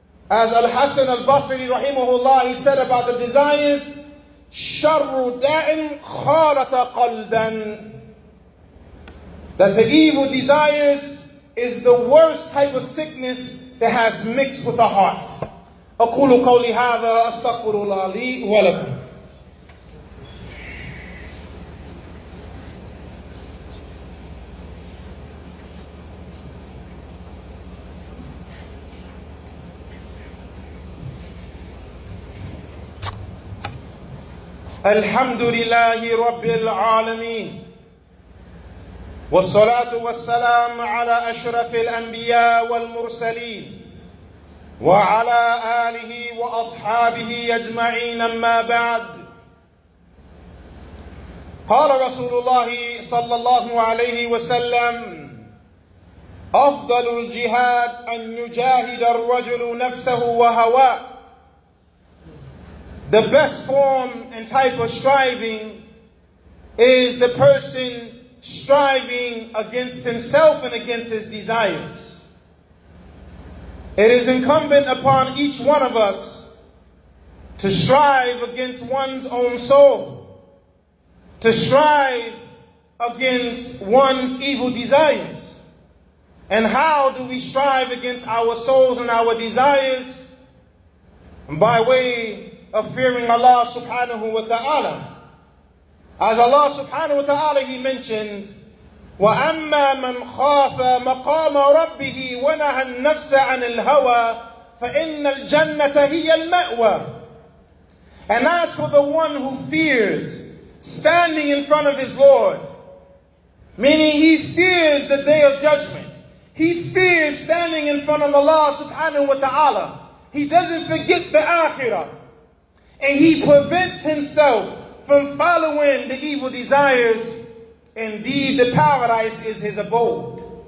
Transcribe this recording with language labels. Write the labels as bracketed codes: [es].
[en] As Al-Hasan Al-Basri, rahimahullah, he said about the desires, [ar] شَرُّ دَاءٍ خَارَةَ قَلْبًا. [en] That the evil desires is the worst type of sickness that has mixed with the heart. [ar] أقول قولي هذا أستغفر الله لي ولكم. الحمد لله رب العالمين والصلاة والسلام على أشرف الأنبياء والمرسلين وعلى آله وأصحابه أجمعين أما بعد. قال رسول الله صلى الله عليه وسلم أفضل الجهاد أن يجاهد الرجل نفسه وهواه. [en] The best form and type of striving is the person striving against himself and against his desires. It is incumbent upon each one of us to strive against one's own soul, to strive against one's evil desires. And how do we strive against our souls and our desires? By way of fearing Allah subhanahu wa ta'ala. As Allah subhanahu wa ta'ala, he mentions, [ar] وَأَمَّا مَنْ خَافَ مَقَامَ رَبِّهِ وَنَهَى النَّفْسَ عَنِ الْهَوَى فَإِنَّ الْجَنَّةَ هِيَ الْمَأْوَى. [en] And as for the one who fears standing in front of his Lord, meaning he fears the day of judgment, he fears standing in front of Allah subhanahu wa ta'ala, he doesn't forget the Akhirah, and he prevents himself from following the evil desires, indeed the paradise is his abode.